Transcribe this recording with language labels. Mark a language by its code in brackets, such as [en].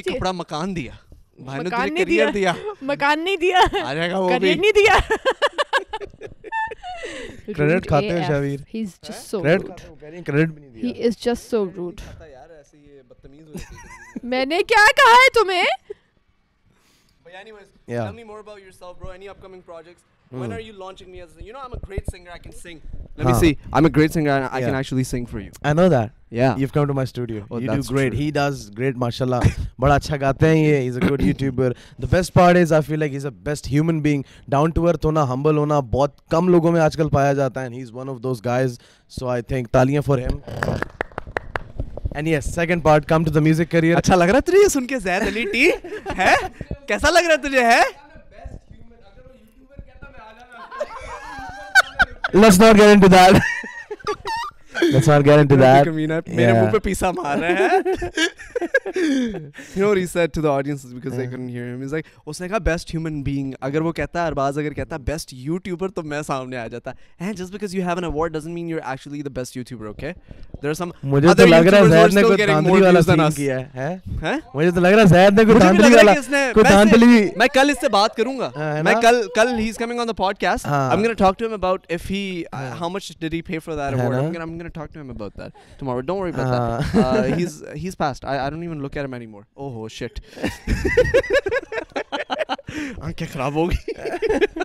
[hi] रोटी कपड़ा मकान दिया भाई ने तुझे करियर दिया मकान नहीं दिया आ जाएगा वो भी करियर नहीं दिया क्रेडिट खाते हो Shavir [en] he is just so rude [hi] credit भी नहीं दिया [en] he is just so rude [hi] मैंने क्या कहा है तुम्हें [en] tell me more about yourself bro any upcoming projects when are you launching me as a, you know I'm a great singer I can sing let me see I'm a great singer and I can actually sing for you I know that yeah you've come to my studio oh, you do great true. he does great [hi] mashallah bada acha gaate hain ye [en] he's a good youtuber the best part is I feel like he's a best human being down to earth [hi] hona humble hona bahut kam logo mein aajkal paya jata hai [en] and he's one of those guys so I think taaliyan for him And yes, second part, come to the music career. [hi] अच्छा लग रहा है तुझे ये सुनके ज़ैद Ali T है? कैसा लग रहा है तुझे है? [en] Let's not get into that. Let's not get into that. [hi] कमीना मेरे मुंह पे पीसा मार रहा है. [en] You know what he said to the audience is because they couldn't hear him. He's like, [hi] उसने कहा [en] best human being. [hi] अगर वो कहता है अरबाज़ अगर कहता है [en] best YouTuber [hi] तो मैं सामने आ जाता. [en] And just because you have an award doesn't mean you're actually the best YouTuber, okay? There are some [hi] मुझे तो लग रहा है ज़ैद ने कोई तांत्रिक वाला सीन किया है. हैं? मुझे तो लग रहा है ज़ैद ने कोई तांत्रिक वाला कोई तांत्रिक मैं कल इससे बात करूंगा. मैं कल [en] he is coming on the podcast. I'm going to talk to him about if he how much did he pay for that award. I'm going to talk to him about that tomorrow. Don't worry about that. He's passed. I don't even look at him anymore. Oh shit. [hi] Aankhein kharab ho gayi.